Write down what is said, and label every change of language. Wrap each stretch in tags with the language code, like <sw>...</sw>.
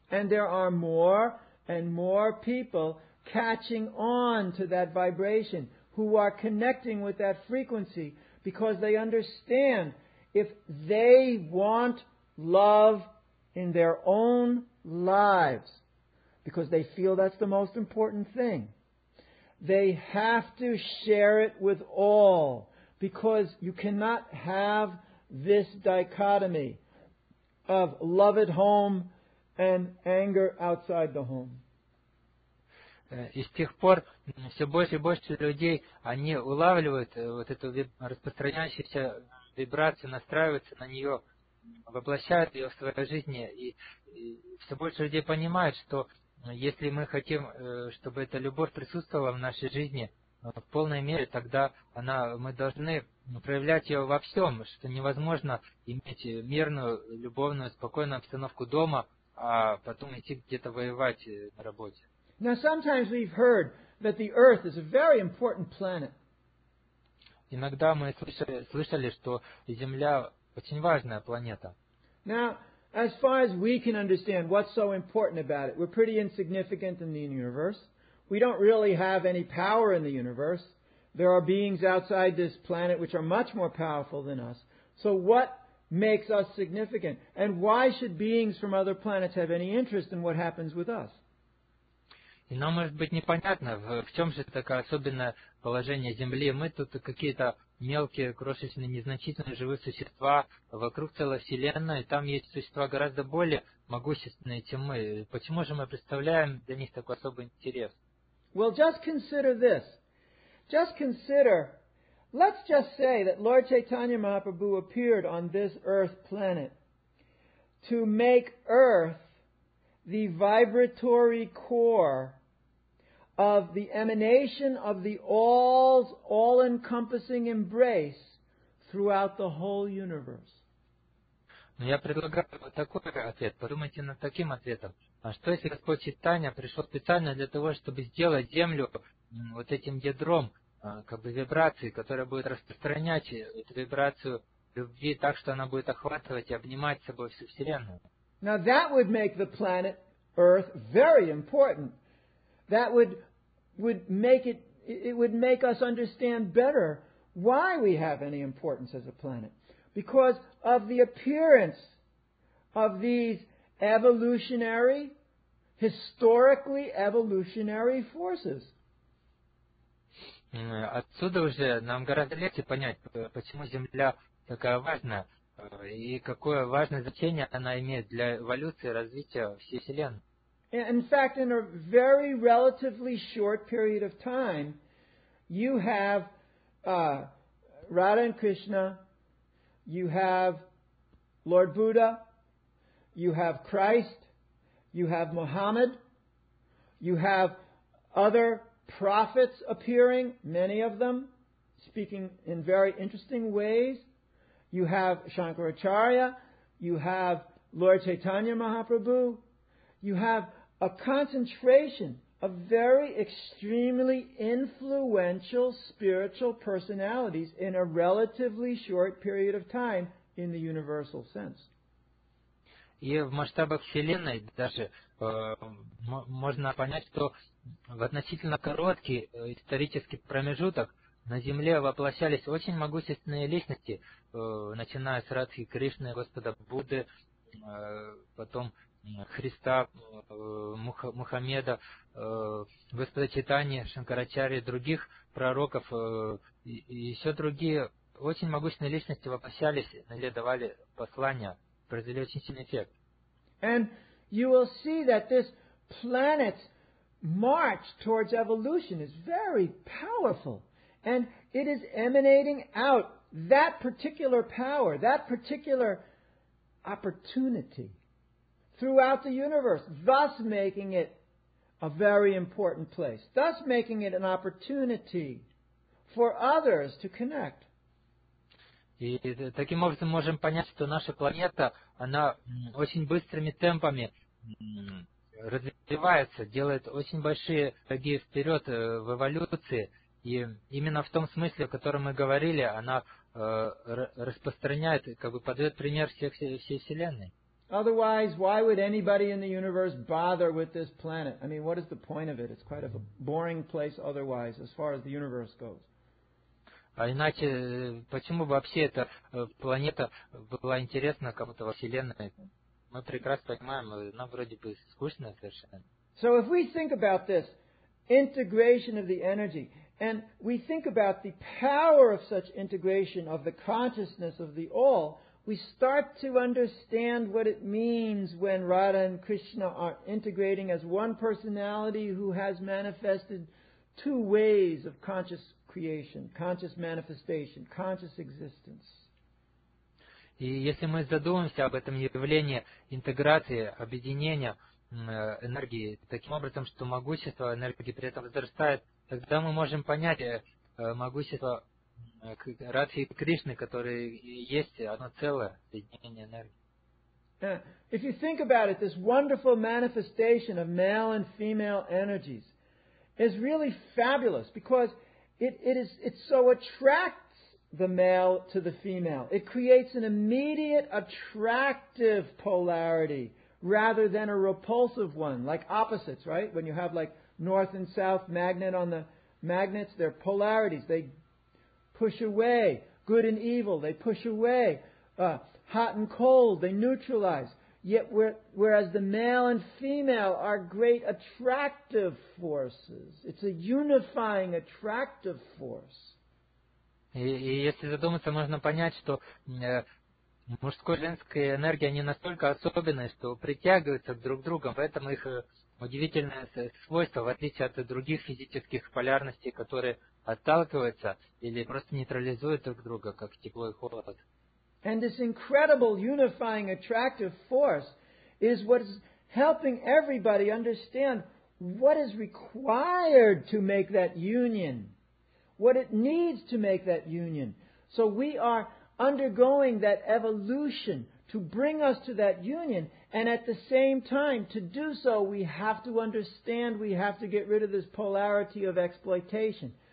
<en>And there are more and more people catching on to that vibration, who are connecting with that frequency, because they understand if they want love in their own lives, because they feel that's the most important thing. They have to share it with all, because you cannot have this dichotomy of love at home and anger outside the home.</en> <ru>И с тех пор все больше и больше людей, они улавливают вот эту распространяющуюся вибрацию, настраиваются на нее, воплощают ее в своей жизни, и все больше людей понимают, что если мы хотим, чтобы эта любовь присутствовала в нашей жизни в полной мере, тогда она, мы должны проявлять ее во всем, что невозможно иметь мирную, любовную, спокойную обстановку дома, а потом идти где-то воевать на работе.</ru> <en>Now sometimes we've heard that the Earth is a very important planet.</en> <ru>Иногда мы слышали, что Земля очень важная планета.</ru> <en>Now, as far as we can understand what's so important about it, we're pretty insignificant in the universe. We don't really have any power in the universe. There are beings outside this planet which are much more powerful than us. So what makes us significant? And why should beings from other planets have any interest in what happens with us?</en> <ru>И нам может быть непонятно, в чем же такое особенное положение Земли. Мы тут какие-то мелкие, крошечные, незначительные живые существа вокруг целой Вселенной. Там есть существа гораздо более могущественные, чем мы. Почему же мы представляем для них такой особый интерес?</ru> <en>Well, just consider this. Just consider, let's just say that Lord Chaitanya Mahaprabhu appeared on this Earth planet to make Earth the vibratory core of the emanation of the all's all-encompassing embrace throughout the whole universe.</en> <ru>Но я предлагаю вот такой ответ. Подумайте над таким ответом. А что если Господь Чайтанья пришел специально для того, чтобы сделать Землю вот этим ядром, как бы вибрации, которая будет распространять эту вибрацию любви так, что она будет охватывать и обнимать собой всю Вселенную?</ru> <en>Now that would make the planet Earth very important. That would make us understand better why we have any importance as a planet. Because of the appearance of these evolutionary, historically evolutionary forces.</en> <ru>Отсюда уже нам гораздо легче понять, почему Земля такая важная и какое важное значение она имеет для эволюции, развития всей Вселенной.</ru> <en>In fact, in a very relatively short period of time, you have Radha and Krishna, you have Lord Buddha, you have Christ, you have Muhammad, you have other prophets appearing, many of them, speaking in very interesting ways. You have Shankaracharya, you have Lord Chaitanya Mahaprabhu, you have a concentration of very extremely influential spiritual personalities in a relatively short period of time in the universal sense.</en> <ru>И в масштабах Вселенной даже можно понять, что в относительно короткий исторический промежуток на Земле воплощались очень могущественные личности, начиная с Радхи Кришны, Господа Будды, потом Христа, Мухаммеда, Господа Чайтаньи, Шанкарачарьи, других пророков, и еще другие очень могущественные личности воплощались или давали послания, произвели очень сильный эффект.</ru> <en>And you will see that this planet's march towards evolution is very powerful. And it is emanating out that particular power, that particular opportunity throughout the universe, thus making it a very important place, thus making it an opportunity for others to connect.</en> <ru>И таким образом мы можем понять, что наша планета, она очень быстрыми темпами развивается, делает очень большие шаги вперед в эволюции. И именно в том смысле, о котором мы говорили, она распространяет, как бы подает пример всей Вселенной.</ru> <en>Otherwise, why would anybody in the universe bother with this planet? I mean, what is the point of it? It's quite a boring place otherwise, as far as the universe goes.</en> <ru>А иначе, почему вообще эта планета была интересна кому-то во Вселенной? Мы прекрасно понимаем, она вроде бы скучная совершенно.</ru> <en>So if we think about this integration of the energy, and we think about the power of such integration of the consciousness of the all, we start to understand what it means when Radha and Krishna are integrating as one personality who has manifested two ways of consciousness. Creation, conscious manifestation, conscious existence.</en> <ru>И если мы задумаемся об этом явлении интеграции, объединения энергии таким образом, что могущество энергии при этом возрастает, тогда мы можем понять могущество Радхи Кришны, которое есть одно целое соединение энергии.</ru> <en>If you think about it, this wonderful manifestation of male and female energies is really fabulous because It so attracts the male to the female. It creates an immediate attractive polarity rather than a repulsive one, like opposites, right? When you have like north and south magnet on the magnets, they're polarities. They push away good and evil. They push away hot and cold. They neutralize. Yet whereas the male and female are great attractive forces, it's a unifying attractive force.</en> <ru>И если задуматься, можно понять, что мужской и женской энергии они настолько особенные, что притягиваются друг к другу, поэтому их удивительное свойство, в отличие от других физических полярностей, которые отталкиваются или просто нейтрализуют друг друга, как тепло и холод.</ru> <en>And this incredible unifying attractive force is what is helping everybody understand what is required to make that union, what it needs to make that union. So we are undergoing that evolution to bring us to that union, and at the same time, to do so, we have to understand we have to get rid of this polarity of exploitation.</en>